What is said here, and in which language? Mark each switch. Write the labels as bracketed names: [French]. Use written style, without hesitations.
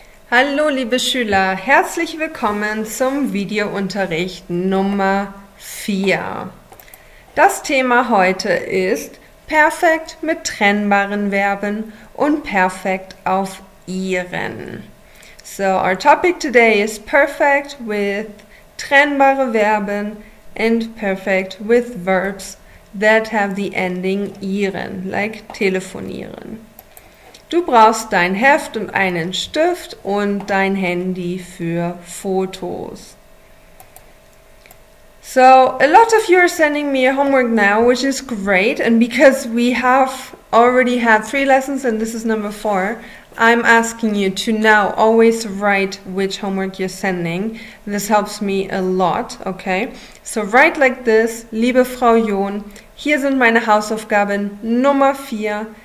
[German] Hallo, liebe Schüler, herzlich willkommen zum Videounterricht Nummer 4. Das Thema heute ist Perfekt mit trennbaren Verben und Perfekt auf ihren. [English] So, our topic today is Perfect with trennbare Verben and Perfect with verbs that have the ending ihren, like telefonieren. [German] Du brauchst dein Heft und einen Stift und dein Handy für Fotos. [English] So, a lot of you are sending me your homework now, which is great. And because we have already had 3 lessons and this is number 4, I'm asking you to now always write which homework you're sending. This helps me a lot, okay? So write like this: [German] Liebe Frau John, hier sind meine Hausaufgaben Nummer 4.